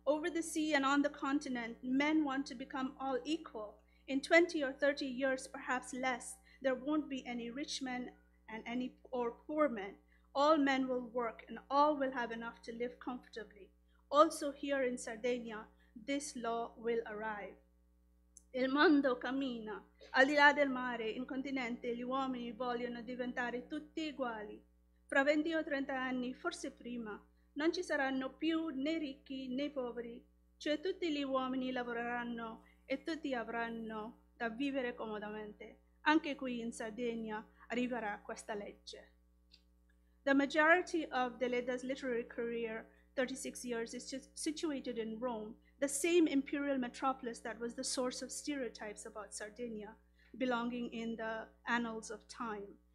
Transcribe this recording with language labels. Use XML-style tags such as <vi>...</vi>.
<en>Over the sea and on the continent, men want to become all equal. In 20 or 30 years, perhaps less, there won't be any rich men and any or poor men. All men will work and all will have enough to live comfortably. Also here in Sardinia, this law will arrive.</en> <it>Il mondo cammina, al di là del mare, in continente, gli uomini vogliono diventare tutti uguali. Fra 20 o 30 anni, forse prima, non ci saranno più né ricchi né poveri, cioè tutti gli uomini lavoreranno e tutti avranno da vivere comodamente. Anche qui in Sardegna arriverà questa legge.</it> <en>The majority of Diletta's literary career, 36 years, is situated in Rome, the same imperial metropolis that was the source of stereotypes about Sardinia belonging in the annals of time.</en>